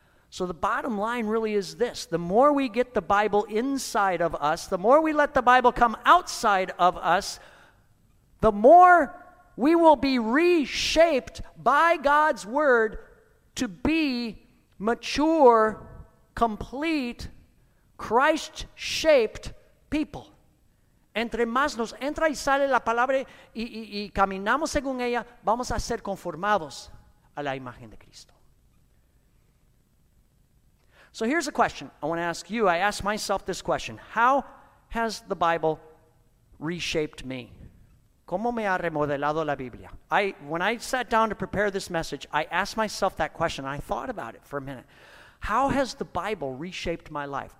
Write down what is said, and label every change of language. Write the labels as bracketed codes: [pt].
[en] So the bottom line really is this. The more we get the Bible inside of us, the more we let the Bible come outside of us, the more we will be reshaped by God's Word to be mature, complete, Christ-shaped people. [es] Entre más nos entra y sale la palabra y caminamos según ella, vamos a ser conformados a la imagen de Cristo. [en] So here's a question I want to ask you. I ask myself this question. How has the Bible reshaped me? [es] ¿Cómo me ha remodelado la Biblia? [en] When I sat down to prepare this message, I asked myself that question. I thought about it for a minute. How has the Bible reshaped my life?